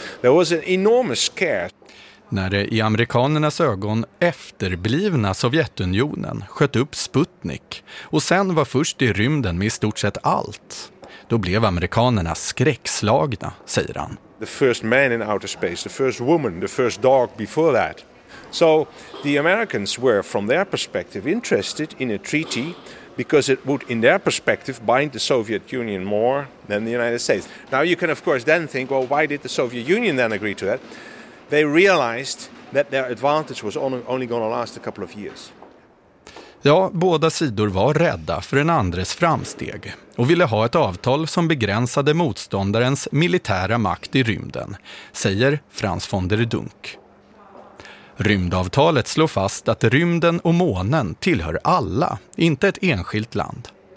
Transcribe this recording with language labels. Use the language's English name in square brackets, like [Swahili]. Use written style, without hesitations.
[English] There was an enormous scare. [Swedish] När det i amerikanernas ögon efterblivna Sovjetunionen sköt upp Sputnik och sen var först i rymden med i stort sett allt, då blev amerikanerna skräckslagna, säger han. [English] The first man in outer space, the first woman, the first dog before that. So the Americans were from their perspective interested in a treaty because it would in their perspective bind the Soviet Union more than the United States. Now you can of course then think, well, why did the Soviet Union then agree to that? They realized that their advantage was only going to last a couple of years. [Swedish] Ja, båda sidor var rädda för den andres framsteg och ville ha ett avtal som begränsade motståndarens militära makt i rymden, säger Frans von der Dunk. Rymdavtalet slår fast att rymden och månen tillhör alla, inte ett enskilt land.